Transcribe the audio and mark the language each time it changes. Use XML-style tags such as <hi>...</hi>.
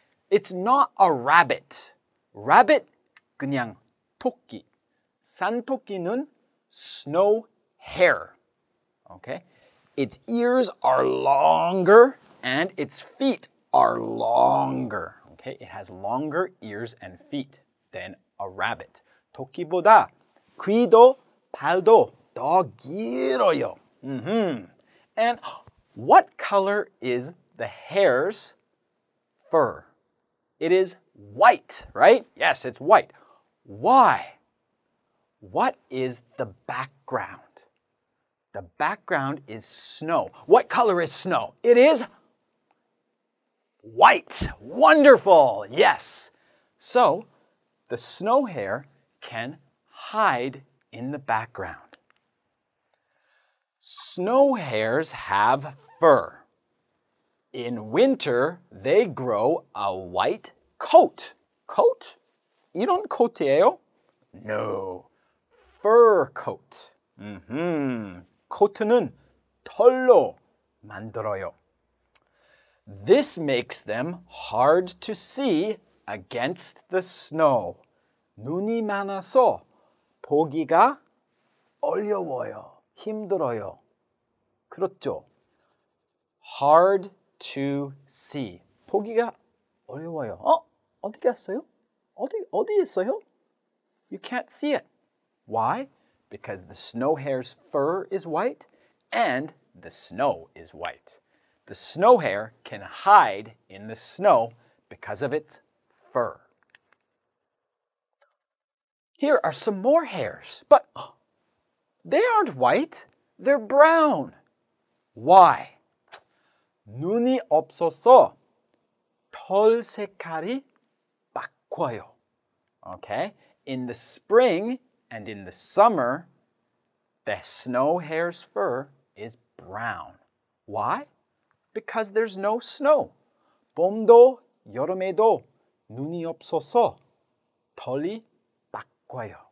<en>It's not a rabbit. Rabbit,</en> <ko>그냥 토끼. 산토끼는</ko> <en>snow hare. Okay? Its ears are longer and its feet are longer. Okay? It has longer ears and feet than a rabbit.</en> <ko>토끼보다 귀도 발도 더 길어요.</ko> <en>Mm-hmm. And what color is the hare's fur? It is white, right? Yes, it's white. Why? What is the background? The background is snow. What color is snow? It is white. Wonderful. Yes. So the snow hare can hide in the background. Snow hares have fur. In winter, they grow a white coat. Coat?</en> <ko>이런 코트예요?</ko> <en>No. Fur coat.</en> <ko>Mm-hmm. 코트는 털로 만들어요.</ko> <en>This makes them hard to see against the snow.</en> <ko>눈이 많아서 보기가 어려워요. 힘들어요. 그렇죠?</ko> <en>Hard to see.</en> <ko>보기가 어려워요. 어? 어디 갔어요? 어디 있어요?</ko> <en>You can't see it. Why? Because the snow hare's fur is white and the snow is white. The snow hare can hide in the snow because of its fur. Here are some more hares. But they aren't white. They're brown. Why?</en> <ko>눈이 없어서 털 색깔이 바꿔요.</ko> <en>Okay. In the spring and in the summer, the snow hare's fur is brown. Why? Because there's no snow.</en> <ko>봄도 여름에도 눈이 없어서 털이 바꿔요.</ko>